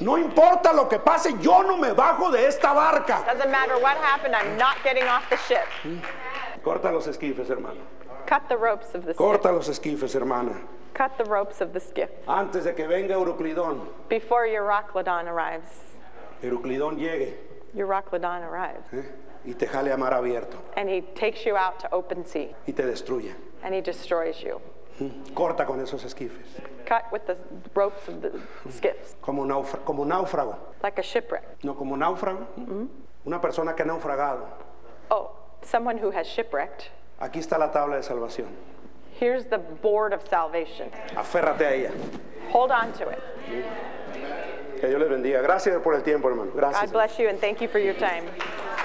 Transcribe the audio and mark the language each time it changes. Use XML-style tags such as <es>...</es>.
<es>No importa lo que pase, yo no me bajo de esta barca.</es> <en>Doesn't matter what happened, I'm not getting off the ship.</en> <es>Corta los esquifes, hermano.</es> <en>Cut the ropes of the skiff.</en> <es>Corta los esquifes, hermana.</es> <en>Cut the ropes of the skiff.</en> <es>Antes de que venga Euroclidón.</es> <en>Before Euroclidón arrives.</en> <es>Euroclidón llegue.</es> <en>Euroclidón arrives.</en> <es>Y te jale a mar abierto.</es> <en>And he takes you out to open sea.</en> <es>Y te destruye.</es> <en>And he destroys you.</en> <es>Corta con esos esquifes.</es> <en>Cut with the ropes of the skiffs.</en> <es>Como náufrago.</es> <en>Like a shipwreck.</en> <es>No, como náufrago. Mm-hmm. Una persona que ha naufragado.</es> <en>Oh, someone who has shipwrecked.</en> <es>Aquí está la tabla de salvación.</es> <en>Here's the board of salvation.</en> <es>Aférrate a ella.</es> <en>Hold on to it.</en> <es>Que Dios les bendiga. Gracias por el tiempo, hermano. Gracias.</es> <en>God bless you and thank you for your time.</en> <es>Gracias.</es>